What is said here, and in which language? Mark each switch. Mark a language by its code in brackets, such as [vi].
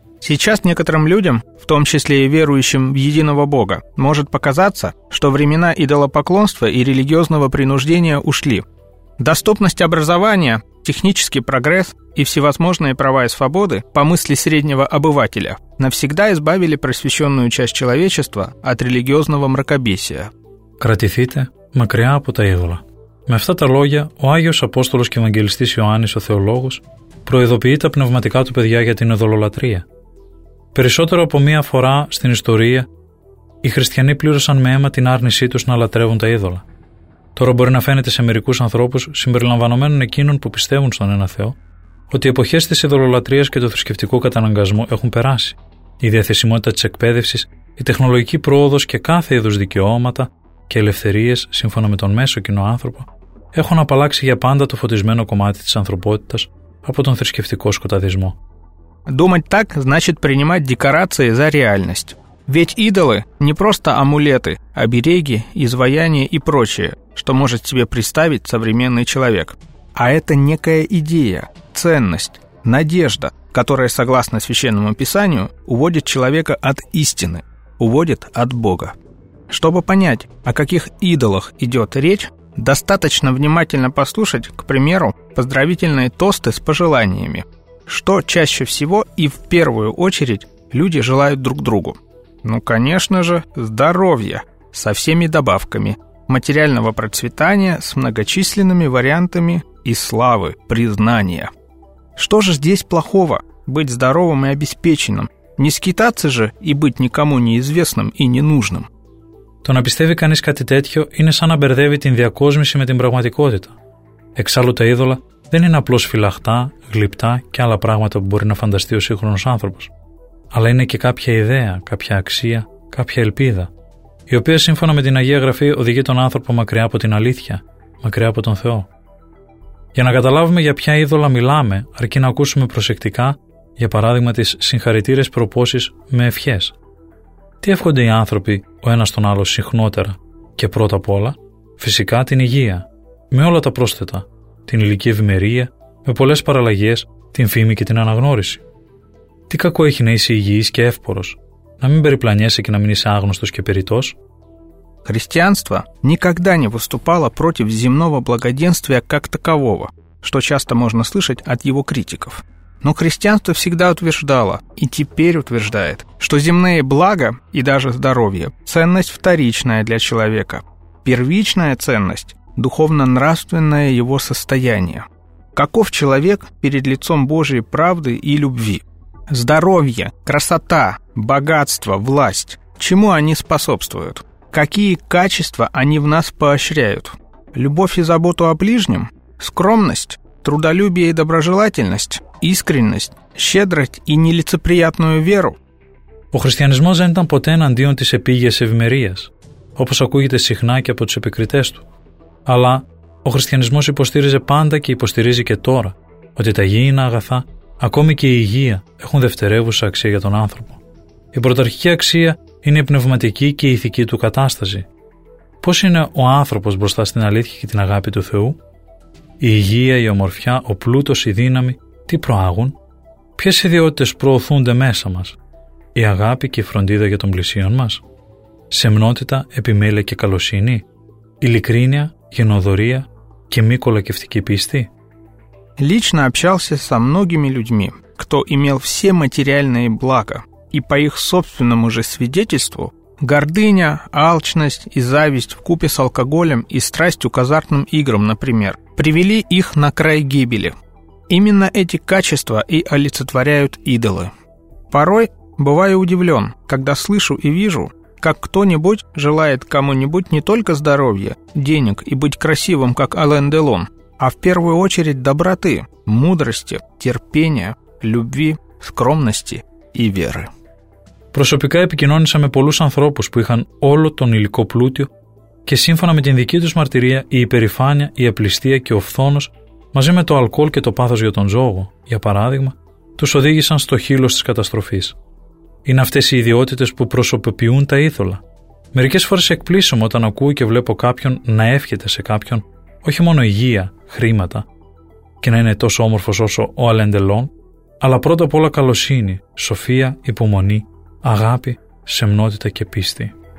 [ru] Сейчас некоторым людям, в том числе и верующим в единого Бога, может показаться, что времена идолопоклонства и религиозного принуждения ушли. Доступность образования, технический прогресс и всевозможные права и свободы, по мысли среднего обывателя, навсегда избавили просвещенную часть человечества от религиозного мракобесия. [el] Кратηθείτε μακριά από τα ίδωλα. Με αυτά τα λόγια, ο Άγιος Απόστολος και Ευαγγελιστής Ιωάννης ο Θεολόγος προειδοποιεί τα πνευματικά του παιδιά για την ειδωλολατρία. Περισσότερο από μία φορά στην ιστορία, οι χριστιανοί πλήρωσαν με αίμα την άρνησή τους να λατρεύουν τα είδωλα. Τώρα μπορεί να φαίνεται σε μερικούς ανθρώπους, συμπεριλαμβανομένων εκείνων που πιστεύουν στον ένα Θεό, ότι οι εποχές της ειδωλολατρίας και του θρησκευτικού καταναγκασμού έχουν περάσει. Η διαθεσιμότητα της εκπαίδευσης, η τεχνολογική πρόοδος και κάθε είδους δικαιώματα και ελευθερίες, σύμφωνα με τον μέσο κοινό άνθρωπο, έχουν απαλλάξει για πάντα το φωτισμένο κομμάτι της ανθρωπότητας από τον θρησκευτικό σκοταδισμό. [ru] Думать так значит принимать декорации за реальность. Ведь идолы не просто амулеты, обереги, изваяния и прочее, что может себе представить современный человек. А это некая идея, ценность, надежда, которая, согласно Священному Писанию, уводит человека от истины, уводит от Бога. Чтобы понять, о каких идолах идет речь, достаточно внимательно послушать, к примеру, поздравительные тосты с пожеланиями, что чаще всего и в первую очередь люди желают друг другу. Ну, конечно же, здоровья со всеми добавками, материального процветания с многочисленными вариантами и славы, признания. Что же здесь плохого – быть здоровым и обеспеченным? Не скитаться же и быть никому неизвестным и ненужным? [el] То να πιστεύει κανείς κάτι τέτοιο είναι σαν να μπερδεύει την διακόσμηση με την πραγματικότητα. Εξάλλου τα είδωλα δεν είναι απλώς φυλαχτά, γλυπτά και άλλα πράγματα που μπορεί να φανταστεί ο σύγχρονος άνθρωπος. Αλλά είναι και κάποια ιδέα, κάποια αξία, κάποια ελπίδα, η οποία σύμφωνα με την Αγία Γραφή οδηγεί τον άνθρωπο μακριά από την αλήθεια, μακριά από τον Θεό. Για να καταλάβουμε για ποια είδωλα μιλάμε, αρκεί να ακούσουμε προσεκτικά, για παράδειγμα, τις συγχαρητήρες προπόσεις με ευχές. Τι εύχονται οι άνθρωποι ο ένας τον άλλο συχνότερα και πρώτα απ' όλα? Φυσικά την υγεία, με όλα τα πρόσθετα, την υλική ευημερία, με πολλές παραλλαγές, την φήμη και την αναγνώριση. Τι κακό έχει να είσαι υγιής και εύπορος, να μην περιπλανιέσαι και να μην είσαι άγνωστος και περιττός? [ru] Христианство никогда не выступало против земного благоденствия как такового, что часто можно слышать от его критиков. Но христианство всегда утверждало и теперь утверждает, что земные блага и даже здоровье – ценность вторичная для человека. Первичная ценность – духовно-нравственное его состояние. Каков человек перед лицом Божьей правды и любви? Здоровье, красота, богатство, власть – чему они способствуют? Какие качества они в нас поощряют? Любовь и заботу о ближнем? Скромность? трудолюбие и доброжелательность, искренность, щедрость и нелицеприятную веру. [el] Ο χριστιανισμός δεν ήταν ποτέ εναντίον της επίγειας ευημερίας, όπως ακούγεται συχνά και από τους επικριτές του. Αλλά ο χριστιανισμός υποστήριζε πάντα και υποστηρίζει και τώρα ότι τα γήινα αγαθά, ακόμη και η υγεία, έχουν δευτερεύουσα αξία για τον άνθρωπο. Η πρωταρχική αξία είναι η πνευματική και η ηθική του κατάσταση. Πώς είναι ο άνθρωπος μπροστά στην αλήθεια και την αγάπη του Θεού? Η υγεία, η ομορφιά, ο πλούτος, η δύναμη, τι προάγουν? Ποιες ιδιότητες προωθούνται μέσα μας? Η αγάπη και η φροντίδα για τον πλησίον μας? Σεμνότητα, επιμέλεια και καλοσύνη? Ειλικρίνεια, γενοδορία και μη κολακευτική πίστη? [ru] Лично общался со многими людьми, кто имел все материальные блага, и по их собственному же свидетельству, гордыня, алчность и зависть вкупе с алкоголем и страстью к азартным играм, например, привели их на край гибели. Именно эти качества и олицетворяют идолы. Порой бываю удивлен, когда слышу и вижу, как кто-нибудь желает кому-нибудь не только здоровья, денег и быть красивым, как Ален Делон, а в первую очередь доброты, мудрости, терпения, любви, скромности и веры. [el] Προσωπικά επικοινώνησα με πολλούς ανθρώπους που είχαν όλο τον υλικό πλούτιο και σύμφωνα με την δική τους μαρτυρία η υπερηφάνεια, η απληστία και ο φθόνος μαζί με το αλκοόλ και το πάθος για τον ζόγο, για παράδειγμα, τους οδήγησαν στο χείλος της καταστροφής. Είναι αυτές οι ιδιότητες που προσωποποιούν τα ήθολα. Μερικές φορές εκπλήσωμαι όταν ακούω και βλέπω κάποιον να εύχεται σε κάποιον όχι μόνο υγεία, χρήματα και να είναι τόσο όμορφος όσο ο Αλέν Ντελόν, αλλά πρώτα απ' όλα καλοσύνη, σοφία, υπομονή, αγάπη, σεμνότητα και πίστη.